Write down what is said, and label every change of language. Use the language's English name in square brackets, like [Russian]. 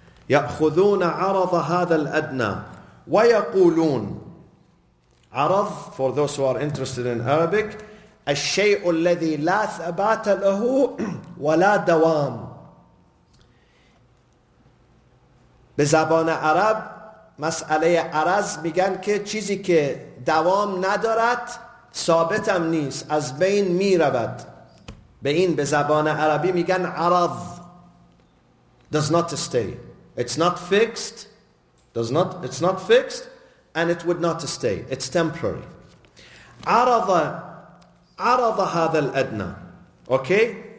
[Arabic] يأخذون عرض هذا الأدنى ويقولون عرض, [English] for those who are interested in Arabic, [Arabic] الشيء الذي لا ثبات له ولا دوام. [Persian] بزبان عرب مسئله عرض میگن که چیزی که دوام ندارد ثابتم نیست از بین میرود. به این بزبان عربی میگن عرض. [English] Does not stay. It's not fixed, it's not fixed, and it would not stay. It's temporary. [Arabic] عَرَضَ هَذَا الْأَدْنَى. [English] Okay?